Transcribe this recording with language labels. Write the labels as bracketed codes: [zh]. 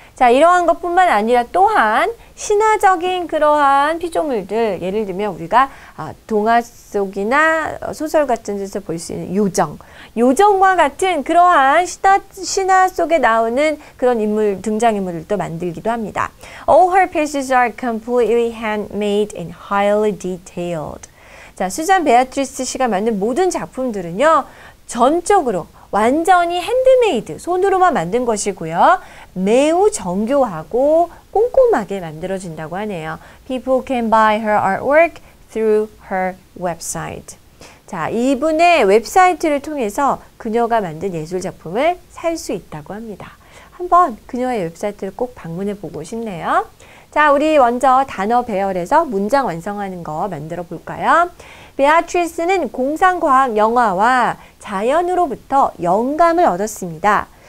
[ko] 자, 이러한 것뿐만 아니라 또한 신화적인 그러한 피조물들, 예를 들면 우리가 동화 속이나 소설 같은 데서 볼 수 있는 요정, 요정과 같은 그러한 신화 속에 나오는 그런 인물, 등장인물들도 만들기도 합니다. [en] All her pieces are completely handmade and highly detailed. [ko] 자, 수잔 베아트리스 씨가 만든 모든 작품들은요, 전적으로 완전히 핸드메이드, 손으로만 만든 것이고요. 매우 정교하고 꼼꼼하게 만들어진다고 하네요. [en] People can buy her artwork through her website. [ko] 자, 이분의 웹사이트를 통해서 그녀가 만든 예술 작품을 살 수 있다고 합니다. 한번 그녀의 웹사이트를 꼭 방문해 보고 싶네요. 자, 우리 먼저 단어 배열에서 문장 완성하는 거 만들어 볼까요? Beatrice는 공상과학 영화와 자연으로부터 영감을 얻었습니다.